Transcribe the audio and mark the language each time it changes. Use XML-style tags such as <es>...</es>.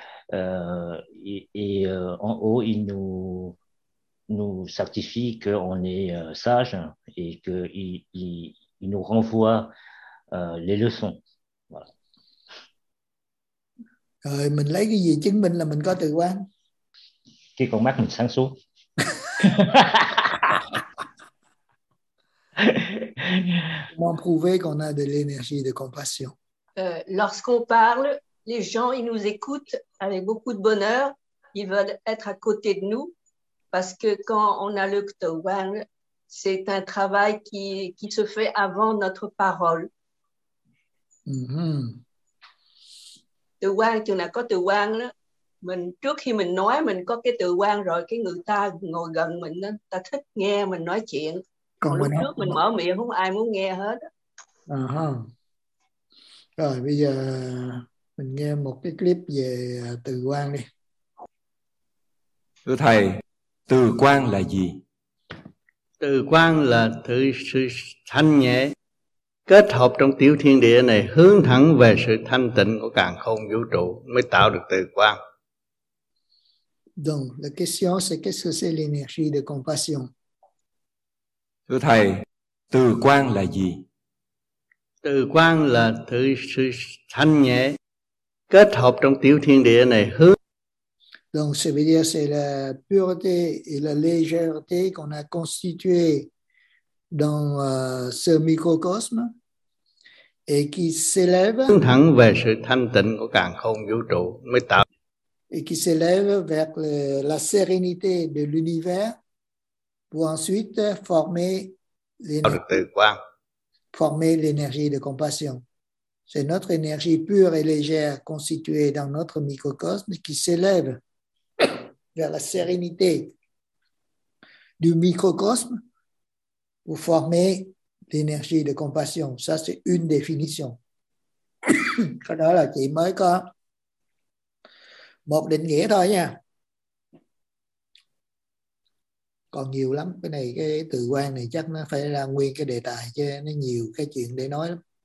<fr>Et en haut, il nous certifie qu'on est sage et qu'il nous renvoie les leçons. Voilà.</fr> <vi>Rồi mình lấy cái gì chứng minh là mình có từ quan? Cái con mắt mình sáng suốt.</vi> <fr>Comment prouver qu'on a de l'énergie, de compassion? Lorsqu'on parle, les gens ils nous écoutent avec beaucoup de bonheur. Ils veulent être à côté de nous parce que quand on a le Ktowang, c'est un travail qui se fait avant notre parole.</fr> <vi>Ktowang, chúng ta có Ktowang. Mình trước khi mình nói mình có cái Ktowang rồi, cái người ta ngồi gần mình, ta thích nghe mình nói chuyện. Còn lúc trước mình mở miệng không ai muốn nghe hết. Rồi bây giờ mình nghe một cái clip về từ quan đi. Thưa thầy, từ quan là gì? Từ quan là sự thanh nhẹ kết hợp trong tiểu thiên địa này, hướng thẳng về sự thanh tịnh của càn khôn vũ trụ mới tạo được từ quan.</vi> <fr>Donc la question c'est qu'est-ce que c'est l'énergie de compassion?</fr> <vi>Thưa thầy, từ quan là gì? Từ quan là sự thanh nhẹ kết hợp trong tiểu thiên địa này, hướng.</vi> <fr>Donc ça veut dire c'est la pureté et la légèreté qu'on a constitué dans ce microcosme et qui s'élève.</fr> <vi>Hướng thẳng về sự thanh tịnh của càn khôn vũ trụ mới tạo.</vi> <fr>Et qui s'élève vers la sérénité de l'univers pour ensuite former l'énergie de compassion. C'est notre énergie pure et légère constituée dans notre microcosme qui s'élève vers la sérénité du microcosme pour former l'énergie de compassion. Ça, c'est une définition.</fr> <vi>Voilà, chỉ mới có một định nghĩa thôi nha. Còn nhiều lắm, cái này, cái từ quan này chắc nó phải là nguyên cái đề tài chứ nó nhiều cái chuyện để nói lắm.</vi>